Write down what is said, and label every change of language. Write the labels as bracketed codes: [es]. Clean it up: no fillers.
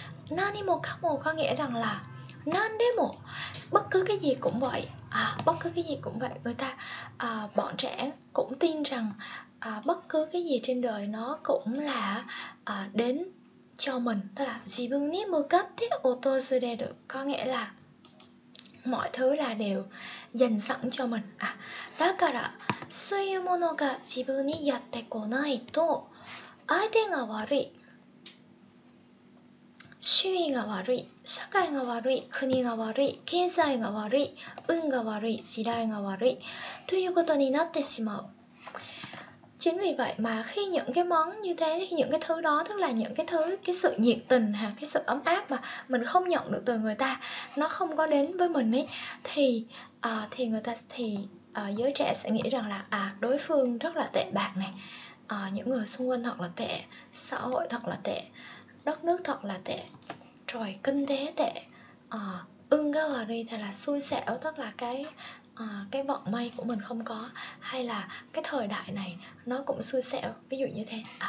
[ja] Nani mo kamo [vi] có nghĩa rằng là [ja] nan demo, [vi] bất cứ cái gì cũng vậy, bất cứ cái gì cũng vậy, người ta bọn trẻ cũng tin rằng bất cứ cái gì trên đời nó cũng là đến cho mình, tức là [ja] 自分に向かって訪れる, [vi] có nghĩa là mọi thứ là đều dành sẵn cho mình. [ja] だからそういうものが自分にやってこないと相手が悪い、周囲が悪い、社会が悪い、国が悪い、経済が悪い、運が悪い、時代が悪いということになってしまう。 [vi] Chính vì vậy mà khi những cái món như thế, thì những cái thứ đó, tức là những cái thứ, cái sự nhiệt tình hay cái sự ấm áp mà mình không nhận được từ người ta, nó không có đến với mình ấy, thì người ta, thì giới trẻ sẽ nghĩ rằng là đối phương rất là tệ bạc này, những người xung quanh thật là tệ, xã hội thật là tệ, đất nước thật là tệ, rồi kinh tế tệ, ưng cái vào đi thì là xui xẻo, tức là cái vận may của mình không có, hay là cái thời đại này nó cũng xui xẻo, ví dụ như thế.